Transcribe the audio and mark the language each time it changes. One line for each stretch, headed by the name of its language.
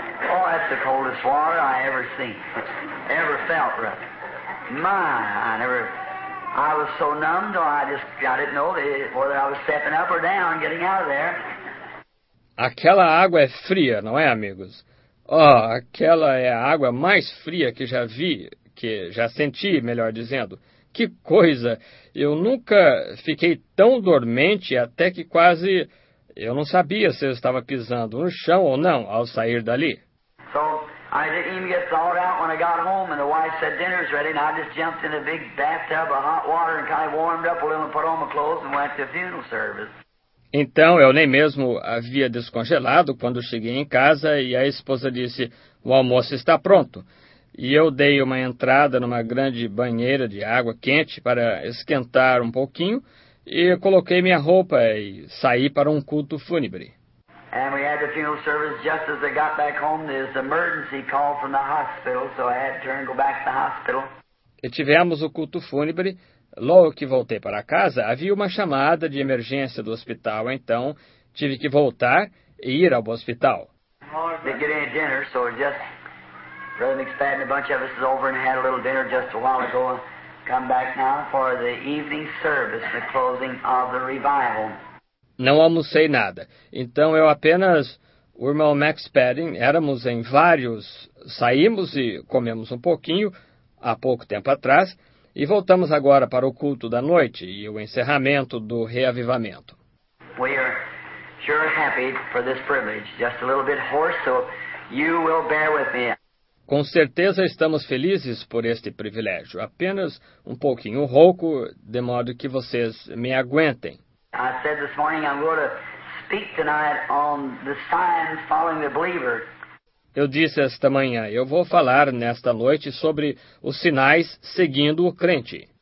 English: Oh, that's the coldest water I ever seen, ever felt, right? My, I was so numb, I didn't know whether I was stepping up or down, getting out of there.
Portuguese: Aquela água é fria, não é, amigos? Oh, aquela é a água mais fria que já vi, que já senti, melhor dizendo. Que coisa! Eu nunca fiquei tão dormente até que quase eu não sabia se eu estava pisando no chão ou não ao sair dali.
English: So, I didn't even get thawed out when I got home and the wife said dinner's ready and I just jumped in a big bathtub of hot water and kind of warmed up a little and put on my clothes and went to the funeral service.
Portuguese: Então, eu nem mesmo havia descongelado quando cheguei em casa e a esposa disse, o almoço está pronto. E eu dei uma entrada numa grande banheira de água quente para esquentar um pouquinho e coloquei minha roupa e saí para um culto fúnebre.
English: And we had the funeral service just as I got back home. There's an emergency call from the hospital, so I had to turn and go back to the hospital.
Portuguese: E tivemos o culto fúnebre. Logo que voltei para casa, havia uma chamada de emergência do hospital, então tive que voltar e ir ao hospital.
English: They get any dinner, so just Brother McSpadden, a bunch of us is over and had a little dinner just a while ago. Come back now for the evening service, the closing of the revival.
Portuguese: Não almocei nada. Então eu apenas, o irmão McSpadden, éramos em vários, saímos e comemos um pouquinho há pouco tempo atrás. E voltamos agora para o culto da noite e o encerramento do reavivamento.
English: We are sure happy for this privilege. Just a little bit hoarse, so you will bear with me.
Portuguese: Com certeza estamos felizes por este privilégio. Apenas um pouquinho rouco, de modo que vocês me aguentem.
English: I said this morning I'm going to speak tonight on the signs following the believer.
Portuguese: Eu disse esta manhã, eu vou falar nesta noite sobre os sinais seguindo o crente.